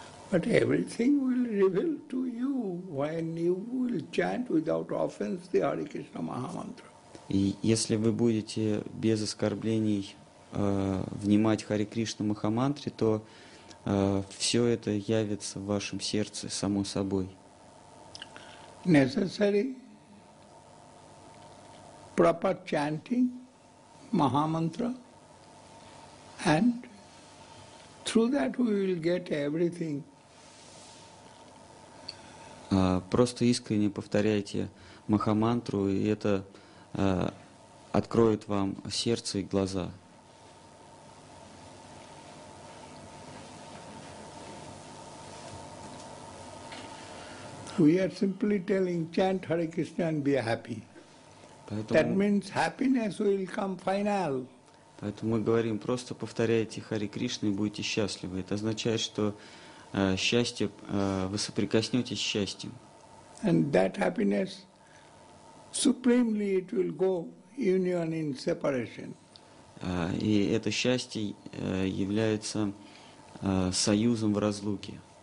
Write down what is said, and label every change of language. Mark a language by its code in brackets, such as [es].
[en] But everything will reveal to you when you will chant without offense the Hare Krishna Mahamantra. [ru] И если вы будете без оскорблений внимать Хари Кришна Махамантре, то все это явится в вашем сердце само собой. [en] Necessary proper chanting Mahamantra, and through that we will get everything. [ru] Просто искренне повторяйте Махамантру, и это откроет вам сердце и глаза. [en] We are simply telling, chant Hare Krishna and be happy. That means happiness will come final. [ru] Поэтому мы говорим, просто повторяйте Хари Кришну и будете счастливы. Это означает, что счастье, вы соприкоснетесь с счастьем. [en] And that happiness, supremely it will go union in separation. [ru] И это счастье является союзом в разлуке.